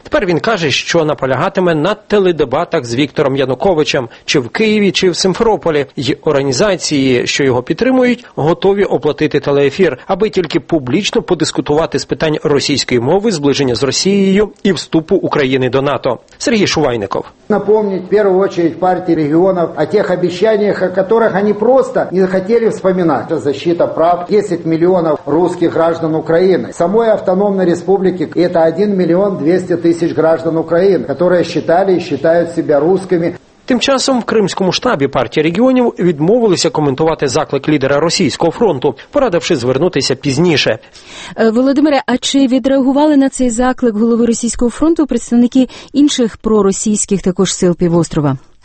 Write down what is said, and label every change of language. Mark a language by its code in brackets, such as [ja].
[uk] Тепер він каже, що наполягатиме на теледебатах з Віктором Януковичем, чи в Києві, чи в Сімферополі. І організації, що його підтримують, готові оплатити телеефір, аби тільки публічно подискутувати з питань російської мови, зближення з Росією і вступу України до НАТО. Сергій Шувайников. [ru] Напомнить в первую очередь партии регионов о тех обещаниях, о которых они просто не хотели вспоминать. Это защита прав 10 миллионов русских граждан Украины. Самой автономной республики это 1 миллион 200 тысяч граждан Украины, которые считали и считают себя русскими. [uk] Тим часом в кримському штабі партії регіонів відмовилися коментувати заклик лідера російського фронту, порадивши звернутися пізніше. Володимире, а чи відреагували на цей заклик голови російського фронту представники інших проросійських також сил півострова?